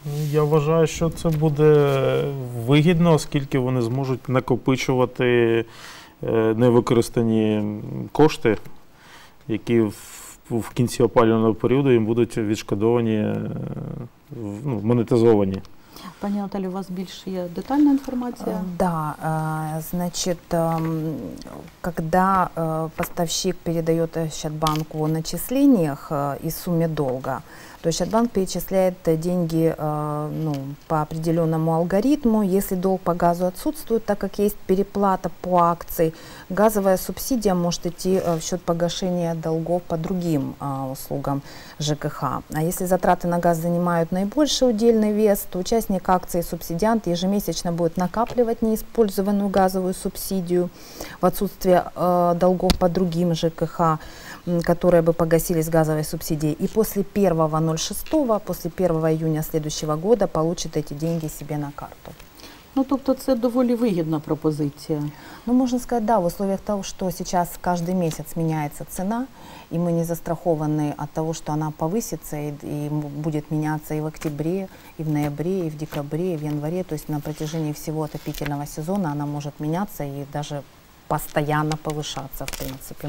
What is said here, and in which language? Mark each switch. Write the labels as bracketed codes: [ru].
[uk] Я вважаю, що це буде вигідно, оскільки вони зможуть накопичувати невикористані кошти, які в кінці опалювального періоду їм будуть відшкодовані, монетизовані. Пані Наталі, у вас більш є детальна інформація? Так, [ru] да, когда поставщик передает Щадбанку в начислениях и сумме долга, то Щадбанк перечисляет деньги по определенному алгоритму. Если долг по газу отсутствует, так как есть переплата по акции, газовая субсидия может идти в счет погашения долгов по другим услугам ЖКХ. А если затраты на газ занимают наибольший удельный вес, то участник акции субсидиант ежемесячно будет накапливать неиспользованную газовую субсидию в отсутствие долгов по другим ЖКХ, которые бы погасились газовой субсидией. И после 1.06, после 1 июня следующего года получит эти деньги себе на карту. [uk] Ну, тобто це доволі вигідна пропозиція. Ну, можна сказати, да, [ru] в условиях того, [uk] що зараз кожен місяць змінюється ціна, і ми не застраховані від того, що вона повиситься і буде змінюватися і в октябрі, і в ноябрі, і в декабрі, і в январі. Тобто на протяжении всього отопительного сезону вона може змінюватися і навіть постоянно повышаться, в принципі.